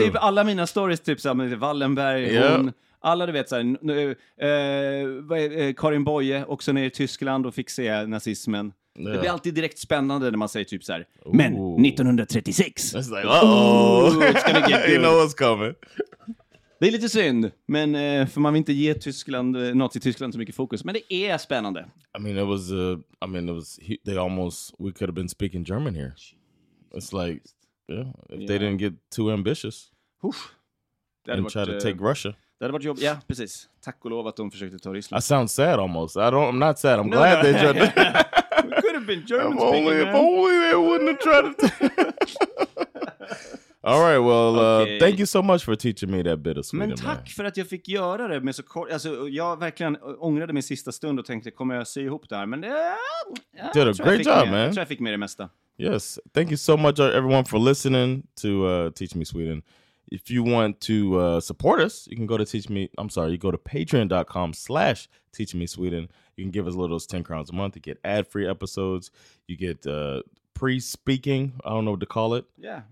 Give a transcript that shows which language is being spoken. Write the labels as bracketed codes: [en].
[sv] Typ alla mina stories, typ så med Wallenberg, hon, alla du vet så här, Karin Boye också nere i Tyskland och fick se nazismen. Yeah. Det blir alltid direkt spännande när man säger typ så här, men 1936. [en] It's like, uh-oh. Ooh, you know what's coming. [sv] Det är lite synd, men för man vill inte ge Tyskland, Nazi-Tyskland så mycket fokus, men det är spännande. [en] They almost, we could have been speaking German here. It's like, yeah, if they didn't get too ambitious Oof. And try to take Russia. [sv] Det hade varit jobb. Ja, precis. Tack och lov att de försökte ta Ryssland. [en] I sound sad almost. I'm not sad. I'm glad they tried. We could have been Germans. If only they wouldn't have tried to. All right, well, okay. Thank you so much for teaching me that bit of Sweden. [sv] Men tack man. För att jag fick göra det med så kort. Alltså, jag verkligen ångrade min sista stund och tänkte, kommer jag sy ihop det här? Men [en] ja, did a great job, man. [sv] Jag tror jag fick med det mesta. [en] Yes, thank you so much, everyone, for listening to Teach Me Sweden. If you want to support us, you can go to patreon.com/teachmesweden. You can give us a little 10 crowns a month. You get ad-free episodes. You get pre-speaking, I don't know what to call it. Yeah.